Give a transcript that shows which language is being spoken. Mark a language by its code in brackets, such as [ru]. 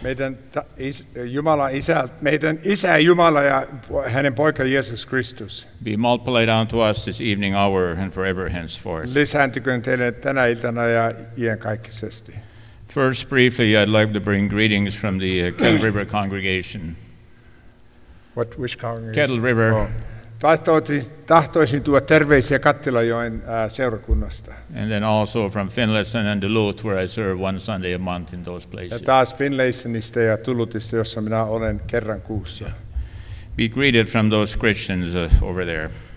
[fi] Meidän Jumala Isä, meidän Isä Jumala ja hänen poika Jeesus Kristus. [en] Be multiplied unto us this evening hour and forever henceforth. [fi] Lisääntyköön teille tänä iltana ja iankaikkisesti. [en] First, briefly, I'd like to bring greetings from the Kettle River congregation. What, which congregation? Kettle River. Oh. [fi] Tahtoisin tuoda terveisiä Kattilajoen seurakunnasta. [en] And then also from Finlayson and Duluth, where I serve one Sunday a month in those places. [fi] Ja taas Finlaysonista ja Duluthista, jossa minä olen kerran kuussa. [en] Yeah. Be greeted from those Christians over there.